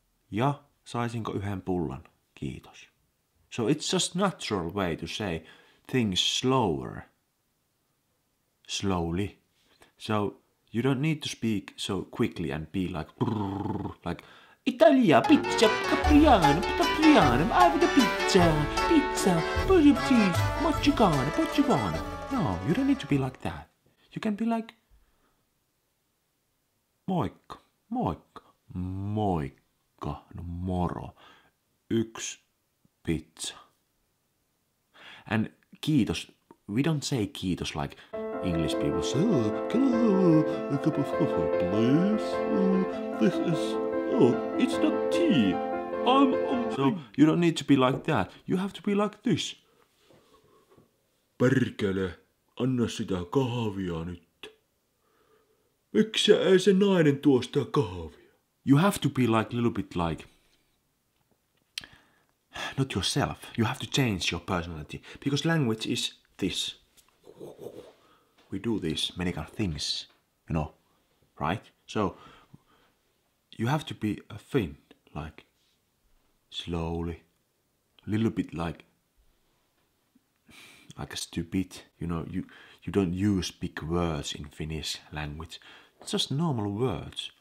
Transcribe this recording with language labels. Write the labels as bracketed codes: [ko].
[fi] Ja saisinko yhden pullan, kiitos. [en] So it's just natural way to say things slowly. So you don't need to speak so quickly and be like brrr, like Italia pizza capriano capriano I have the pizza pretty cheese mozzarella. No, you don't need to be like that. You can be like [fi] moikka, no moro, yks pizza. [en] And kiitos, we don't say kiitos like English people say, can I have a cup of coffee, please? This is, it's not tea. So you don't need to be like that. You have to be like this. [fi] Perkele, anna sitä kahvia nyt. Miksi ei se nainen tuo sitä kahvia? [en] You have to be like, a little bit like, not yourself. You have to change your personality. Because language is this. We do this many kind of things, you know, right? So you have to be a Finn, like slowly, a little bit like a stupid, you know, you don't use big words in Finnish language, it's just normal words.